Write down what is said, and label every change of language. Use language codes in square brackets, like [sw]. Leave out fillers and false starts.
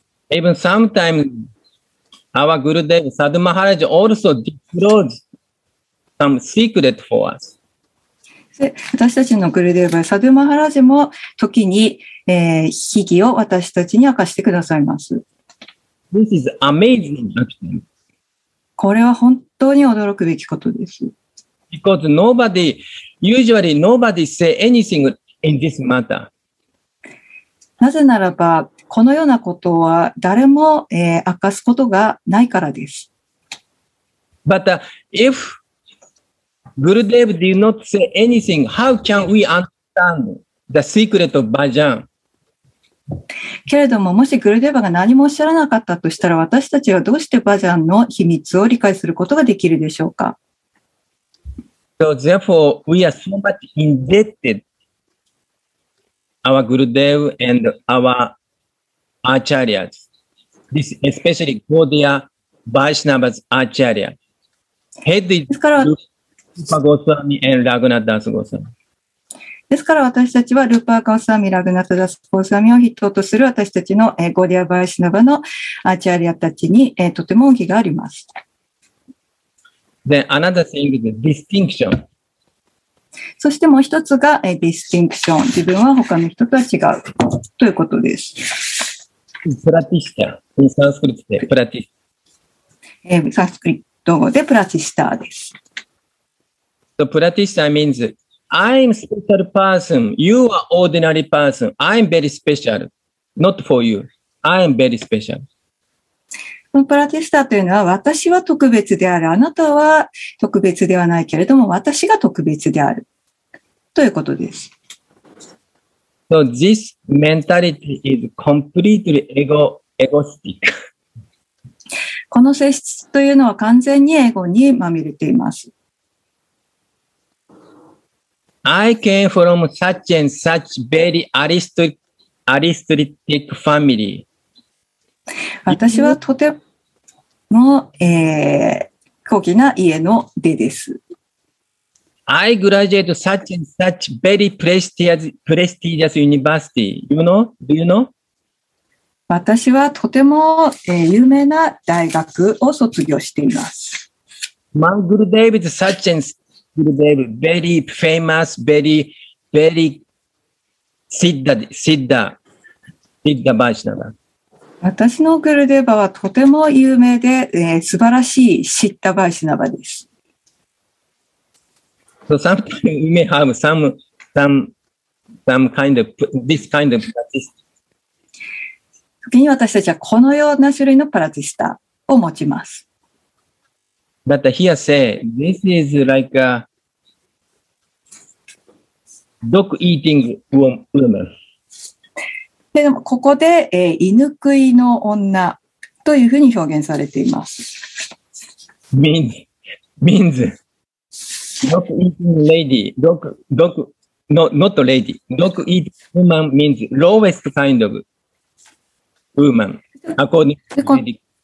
[en] Even sometimes our Gurudev Sadhu Maharaj also disclosed some secret for us. [ja] 私たちのグルデーバサドゥマハラジも時に、秘技を私たちに明かしてくださいます。 [en] This is amazing actually. [ja] これは本当に驚くべきことです。 [en] Because nobody, usually nobody say anything in this matter. [ja] なぜならば、このようなことは誰も、明かすことがないからです。 [en] But, if Gurudev did not say anything, how can we understand the secret of bhajan? [ja] けれどももしグルデーバが何もおっしゃらなかったとしたら、私たちはどうしてバジャンの秘密を理解することができるでしょうか。 [en] So therefore we are so much indebted our Gurudev and our Acharyas, this especially Gaudiya Vaishnavas Acharya. Head is Rupa Goswami and Raghunath Das Goswami. [ja] ですから私たちはルーパーカオサミ、ラグナタダスコーサミを筆頭とする私たちのゴディアバイシナバのアーチャリアたちにとても恩義があります。 [en] Then another thing is distinction. [ja] そしてもう一つがディスティンクション。自分は他の人とは違うということです。プラティスタ。サンスクリットでプラティスタ。サンスクリット語でプラティスタです。 [en] So, プラティスタ means,I'm special person. You are ordinary person. I'm very special. Not for you. I'm very special. [ja] プラティスタというのは、私は特別である。あなたは特別ではないけれども、私が特別である。ということです。 [en] So this mentality is completely egoistic. [ja] この性質というのは完全にエゴにまみれています。 [en] I came from such and such very aristocratic family. [ja] 私はとても、高貴な家の出です。 [en] I graduated such and such very prestigious university. You know? Do you know? [ja] 私はとても、有名な大学を卒業しています。 [en] My Gurudev is such and such. Very famous, very, very Siddha Vaishnava. [ja] 私のグルデーバはとても有名で、素晴らしいシッダバイシナバです。 [en] So sometimes you may have some kind of this kind of practice. [ja] 時に私たちはこのような種類のパラティスタを持ちます。 [en] But here say, this is like aDog eating woman. [ja] でもここで、犬食いの女というふうに表現されています。 [en] Means dog eating lady, dog no, not lady, dog eating woman means lowest kind of woman, according to lady.